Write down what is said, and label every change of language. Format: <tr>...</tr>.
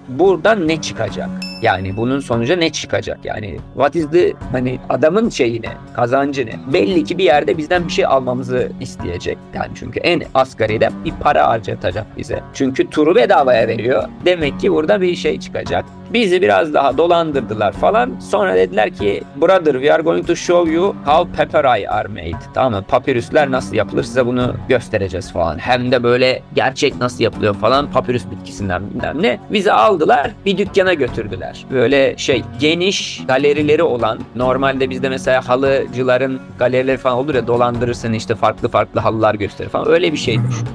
<tr>Buradan ne çıkacak? Yani bunun sonucu ne çıkacak? Yani</tr> <en>what is the,</en> <tr>hani adamın şeyi ne? Kazancı ne? Belli ki bir yerde bizden bir şey almamızı isteyecek. Yani çünkü en asgari de bir para harcatacak bize. Çünkü turu bedavaya veriyor. Demek ki burada bir şey çıkacak. Bizi biraz daha dolandırdılar falan. Sonra dediler ki</tr> <en>brother we are going to show you how papyri are made.</en> <tr>Tamam mı? Papyruslar nasıl yapılır, size bunu göstereceğiz falan. Hem de böyle gerçek nasıl yapılıyor falan. Papyrus bitkisinden bilmem ne. Bizi aldılar bir dükkana götürdüler. Böyle şey geniş galerileri olan, normalde bizde mesela halıcıların galerileri falan olur ya, dolandırırsın işte farklı farklı halılar gösterir falan, öyle bir şeymiş.</tr>